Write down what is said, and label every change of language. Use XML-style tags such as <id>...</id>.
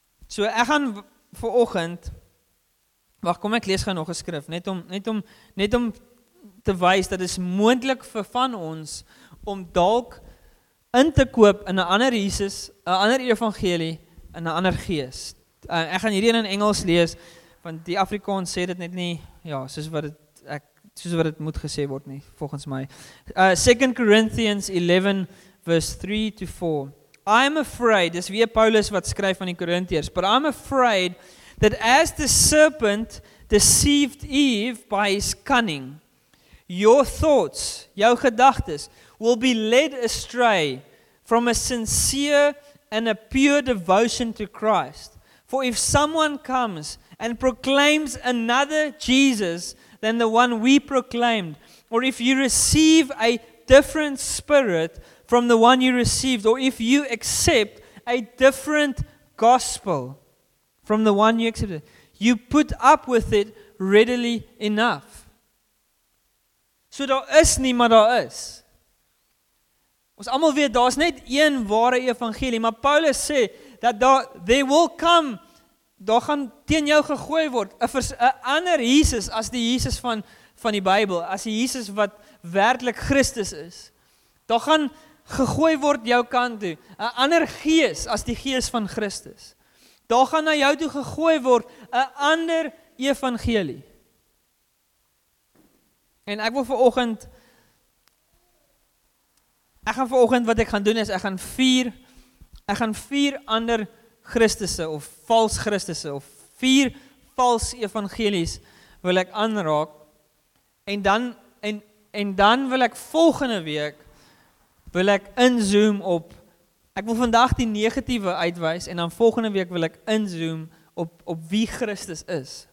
<af>So ek gaan vanoggend, wag, kom ek lees gaan nog 'n skrif, net om te wys dat is moontlik vir van ons om dalk in te koop in 'n ander Jesus, 'n ander evangelie, in 'n ander gees. Ek gaan hierdie in Engels lees, want die Afrikaans sê dit net nie, ja, soos wat dit moet gesê word nie, volgens my.</af> <en>2 Corinthians 11, verse 3 to 4. I am afraid,</en> <af>dis weer Paulus wat skryf aan die Korintiërs,</af> <en>but I am afraid that as the serpent deceived Eve by his cunning, your thoughts,</en> <af>jou gedagtes,</af> <en>will be led astray from a sincere and a pure devotion to Christ. For if someone comes and proclaims another Jesus than the one we proclaimed, or if you receive a different spirit from the one you received, or if you accept a different gospel from the one you accepted, you put up with it readily enough.</en> <af>So daar is nie, maar daar is. Ons almal weet, daar is net een ware evangelie, maar Paulus sê, dat daar gaan teen jou gegooi word, 'n ander Jesus as die Jesus van die Bybel, as die Jesus wat werklik Christus is. Daar gaan gegooi word jou kant toe, 'n ander gees as die gees van Christus. daar gaan na jou toe gegooi word, 'n ander evangelie. En ek wil vanoggend, ek gaan vanoggend wat ek gaan doen is, ek gaan vier ander Christusse, of vals Christusse, of vier vals evangelies, wil ek aanraak, en dan wil ek volgende week, wil ek inzoom op, ek wil vandag die negatieve uitwys, en dan volgende week wil ek inzoom op wie Christus is.</af>